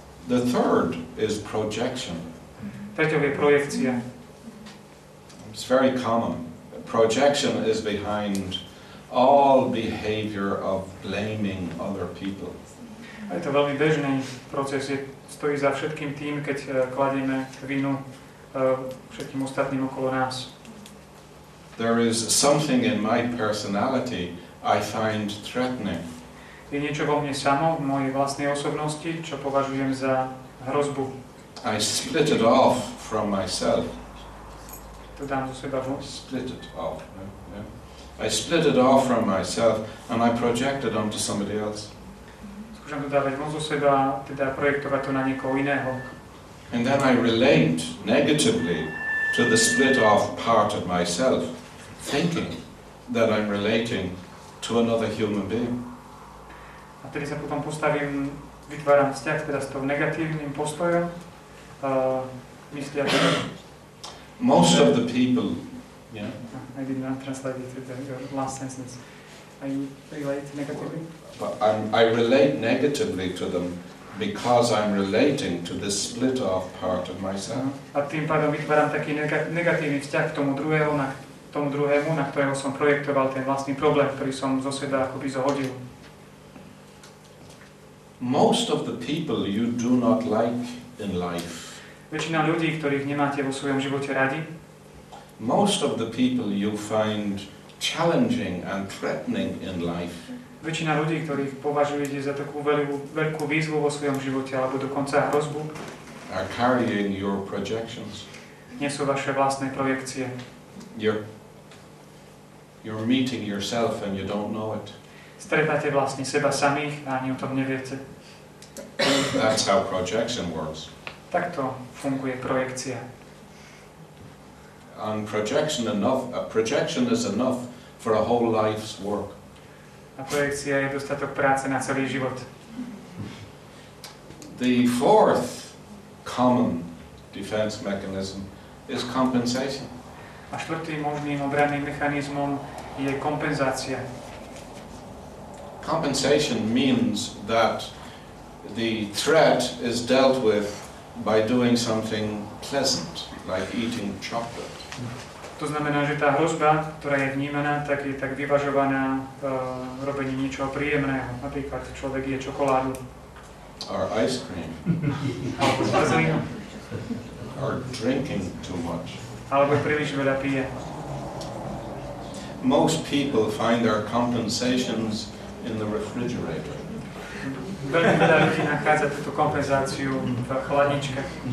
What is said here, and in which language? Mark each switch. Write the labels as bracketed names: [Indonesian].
[English] The third is projection. [Slovak] Treťou je projekcia. [English] It's very common. Projection is behind all behavior of blaming other people. [Slovak] A je to veľmi bežný proces, stojí za všetkým tým, keď kladieme vinu všetkým ostatným okolo nás. [English] There is something in my personality I find threatening. [Slovak] Je niečo vo mne samom, v mojej vlastnej osobnosti, čo považujem za hrozbu. [English] I split it off from myself. [Slovak] To dám zo seba von. [English] Split it off. I split it off from myself and I project it onto somebody else. [Slovak] Skúšam to dávať von zo seba, teda projektovať to na niekoho iného. [English] And then I relate negatively to the split off part of myself, thinking that I'm relating to another human being. [Slovak] A teda sa potom postavím, vytváram vzťah teda s tou negatívnym postojom, mysliať. [English] Most of the people, I did not translate it to your last sentence. I relate negatively. I relate negatively to them because I'm relating to this split off part of myself. [Slovak] A tým pádom vytváram taký negatívny vzťah k tomu druhému, na ktorého som projektoval ten vlastný problém, ktorý som zo seba akoby zohodil. [English] Most of the people you do not like in life. [Slovak] Väčšina ľudí, ktorých nemáte vo svojom živote radi. [English] Most of the people you find challenging and threatening in life. [Slovak] Väčšina ľudí, ktorých považujete za takú veľkú výzvu vo svojom živote alebo dokonca hrozbu. [English] Are carrying your projections. [Slovak] Nesú vaše vlastné projekcie. [English] You're meeting yourself and you don't know it. [Slovak] Stretáte vlastne seba samých a ani o tom neviete. [English] That's how projection works. [Slovak] Takto funguje projekcia. [English] And projection enough, a projection is enough for a whole life's work. [Slovak] A projekcia je dostatok práce na celý život. [English] The fourth common defense mechanism is compensation. [Slovak] A štvrtým možným obranným mechanizmom je kompenzácia. [English] Compensation means that the threat is dealt with by doing something pleasant, like eating chocolate. [Slovak] To znamená, že tá hrozba, ktorá je vnímaná, tak je tak vyvažovaná robením niečoho príjemného. Napríklad človek je čokoládu. [English] Or ice cream. [Slovak] Alebo zmrzlinu. [English] Or drinking too much. [Slovak] Alebo príliš veľa pije. [English] Most people find their compensations in the refrigerator. [Slovak] Veľmi veľa ľudí nachádza túto kompenzáciu v chladničkách.